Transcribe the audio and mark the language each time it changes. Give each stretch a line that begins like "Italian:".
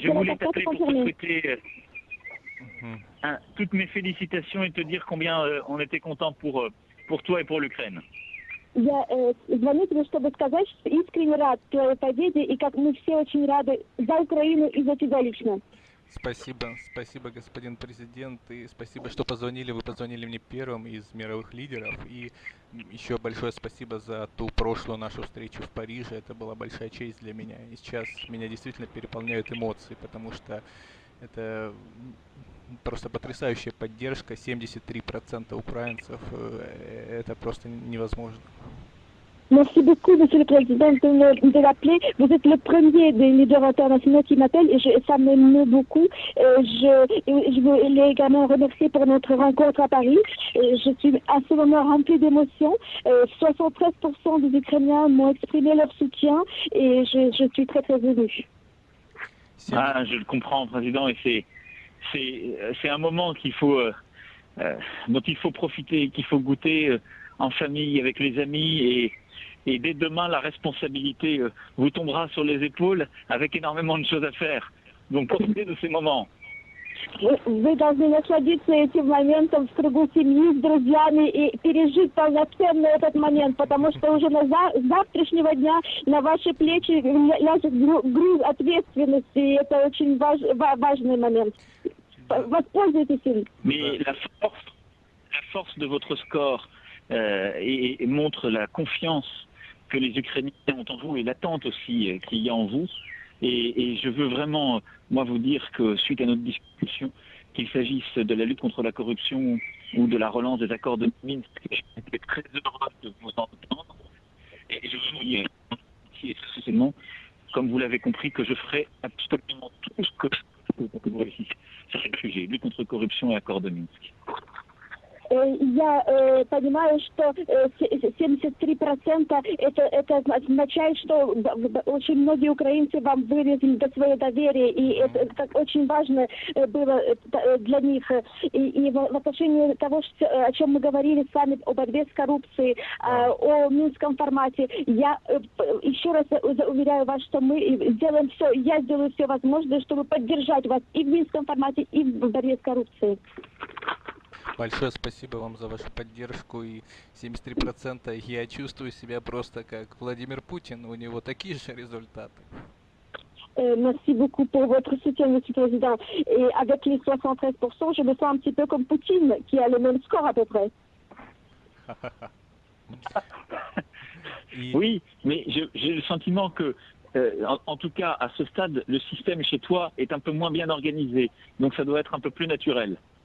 French: Je voulais t'appeler pour souhaiter toutes mes félicitations et te dire combien on était content pour toi et pour l'Ukraine.
Russian: Я звоню тебе, чтобы сказать, что искренне рад твоей победе и как мы все очень рады за Украину и за тебя лично. Спасибо, господин президент, и спасибо, что позвонили. Вы позвонили мне первым из мировых лидеров, и еще большое спасибо за ту прошлую нашу встречу в Париже. Это была большая честь для меня, и сейчас меня действительно переполняют эмоции, потому что это просто потрясающая поддержка, 73% украинцев, это просто невозможно.
French: Merci beaucoup, monsieur le président, de me rappeler. Vous êtes le premier des leaders internationaux qui m'appelle et ça m'émeut beaucoup. Je voulais également remercier pour notre rencontre à Paris. Je suis à ce moment remplie d'émotions. 73% des Ukrainiens m'ont exprimé leur soutien et je suis très, très émue. Ah, je le comprends, président, et c'est un moment dont il faut profiter, qu'il faut goûter en famille, avec les amis et dès demain, la responsabilité vous tombera sur les épaules avec énormément de choses à faire. Donc profitez de ces moments.
Russian: Вы должны насладиться этим моментом в кругу семьи, с друзьями и пережить полноценно этот момент, потому что уже с завтрашнего дня на ваши плечи ляжет груз ответственности, и это очень важный момент. Воспользуйтесь им.
French: Mais la force de votre score et montre la confiance que les Ukrainiens ont en vous et l'attente aussi qu'il y a en vous. Et je veux vraiment, moi, vous dire que suite à notre discussion, qu'il s'agisse de la lutte contre la corruption ou de la relance des accords de Minsk, j'étais très heureux de vous entendre. Et je vous dis, essentiellement, comme vous l'avez compris, que je ferai absolument tout ce que je peux pour que vous réussissiez sur le sujet, lutte contre corruption et accords de Minsk.
Russian: Я понимаю, что 73% это означает, что очень многие украинцы вам выразили свое доверие, и это как очень важно было для них. И в отношении того, о чем мы говорили с вами, о борьбе с коррупцией, о Минском формате, я еще раз уверяю вас, что мы сделаем все, я сделаю все возможное, чтобы поддержать вас и в Минском формате, и в борьбе с коррупцией. Большое спасибо вам за вашу поддержку, и 73%, я чувствую себя просто как Владимир Путин, у него такие же результаты.
French: Merci beaucoup pour votre soutien, monsieur le président. Et avec les 73%, je me sens un petit peu comme Poutine, qui a le même score à peu près. Oui, mais j'ai le sentiment que, en tout cas, à ce stade, le système chez toi est un peu moins bien organisé, donc ça doit être un peu plus naturel.